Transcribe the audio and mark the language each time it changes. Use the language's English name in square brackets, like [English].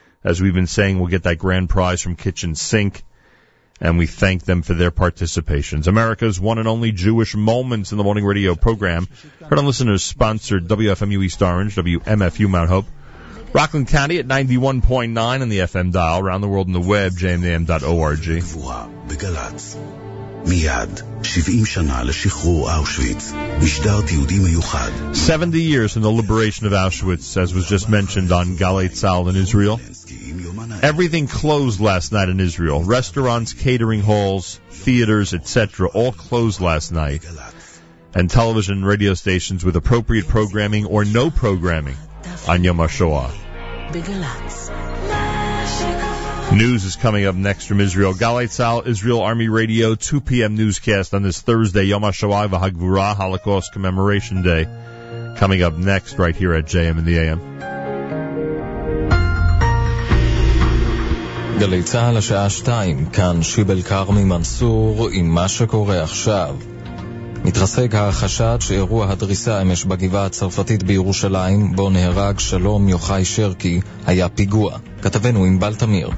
[English] As we've been saying, we'll get that grand prize from Kitchen Sink, and we thank them for their participation. America's one and only Jewish Moments in the Morning Radio program. Heard on listeners sponsored WFMU East Orange, WMFU Mount Hope, Rockland County at 91.9 on the FM dial, around the world on the web, jmdm.org. [Hebrew] מיד, 70 שנה לשחרור אושוויץ, משדר תיעודי מיוחד. [English] 70 years in the liberation of Auschwitz, as was just mentioned on Galei Tzal in Israel. Everything closed last night in Israel. Restaurants, catering halls, theaters, etc. all closed last night. And television and radio stations with appropriate programming or no programming on Yom HaShoah. News is coming up next from Israel. Galei Tzal, Israel Army Radio, 2 p.m. newscast on this Thursday, Yom HaShoah V'Hagvura, Holocaust Commemoration Day. Coming up next right here at JM in the AM. [Hebrew] Galei Tzal, השעה 2, כאן שיבל קרמי מנסור, עם מה שקורה עכשיו. מתרסק החשד שאירוע הדריסה אמש בגבעה הצרפתית בירושלים, בו נהרג שלום יוחאי שרקי, היה פיגוע. כתבנו עם בל תמיר.